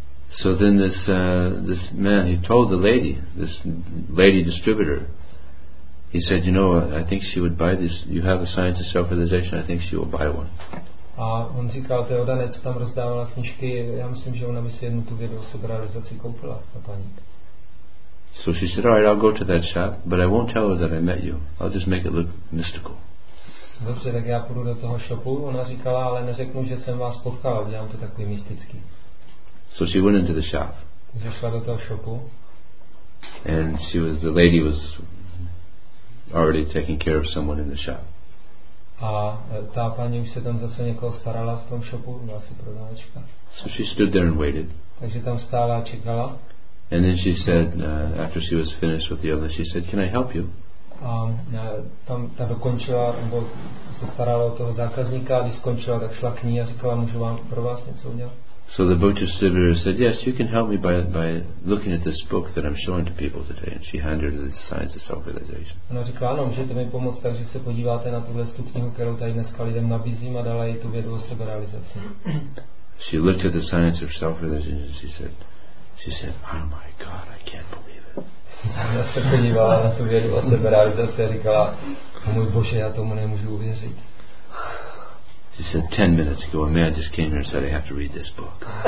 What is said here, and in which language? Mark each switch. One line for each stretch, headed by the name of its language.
English: So then this man, he told this lady distributor, he said, you know, I think she would buy this. You have a science of self-realization. I think she will buy one.
Czech: A on říkal, to je odané, co tam rozdávala knížky. Já myslím, že ona by si jednu tu vědu o seberealizaci koupila, ta paní.
English: So she said, all right, I'll go to that shop, but I won't tell her that I met you. I'll just make it look mystical.
Czech: Dobře, tak já půjdu do toho shopu. Ona říkala, ale neřeknu, že jsem vás potkala. Udělám to takový mystický.
English: So she went into the shop.
Czech: Takže šla do toho shopu.
English: And she was, the lady was already taking care of someone in the shop.
Czech: A ta paní už se tam zase někoho starala v tom shopu, byla si prodavačka.
English: So she stood there and waited.
Czech: Takže tam stála a čekala.
English: And then she said, after she was finished with the other, she said, can I help you?
Czech: A tam ta dokončila, nebo se starala o toho zákazníka, a když skončila, tak šla k ní a říkala, můžu vám pro vás něco udělat?
English: So the book distributor said, yes, you can help me by looking at this book that I'm showing to people today. And she handed her the Science of Self-Realization.
Czech: Ona řekla, ano, můžete mi pomoct, takže se podíváte na tuhle knihu, kterou tady dneska lidem nabízím, a dala jí tu vědu o seberealizaci.
English: She looked at the Science of Self-Realization and she said, oh my God, I can't believe it.
Czech: Ona se podívala na tu vědu o seberealizaci a říkala, oh můj Bože, já tomu nemůžu uvěřit.
English: She said, 10 minutes ago, a man just came here and said, I have to read this book.